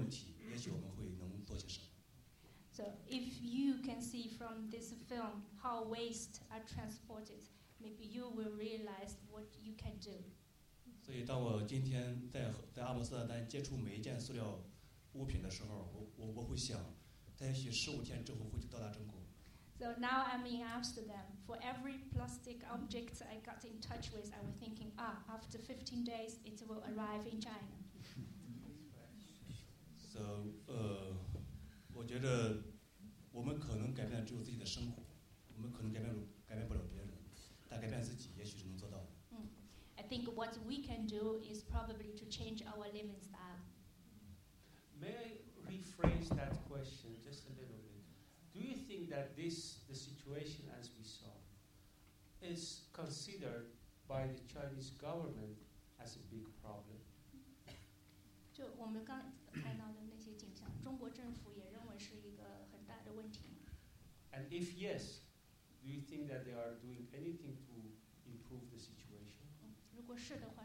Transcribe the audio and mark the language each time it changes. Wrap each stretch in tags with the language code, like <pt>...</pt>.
<zh>如果你能从这部影片中看到背后的有关于垃圾的国际转移这个问题，也许我们会能做些什么。So</zh> <en>if you can see from this film how waste are transported, maybe you will realize what you can do.</en> <zh>所以当我今天在阿姆斯特丹接触每一件塑料物品的时候，我会想，也许15天之后会到达中国。So</zh> <en>now I'm in Amsterdam. For every plastic object I got in touch with, I was thinking, after 15 days, it will arrive in China.</en> <zh>So, 我觉得我们可能改变只有自己的生活，我们可能改变不了别人，但改变自己，也许是能做到的。</zh> <en>I think what we can do is probably to change our living style. May I rephrase that question just a little bit? Do you think that this, the situation as we saw, is considered by the Chinese government as a big problem?</en> <zh>就我们刚才看到的那些景象，中国政府也认为是一个很大的问题。And</zh> <en>if yes, do you think that they are doing anything to improve the situation?</en>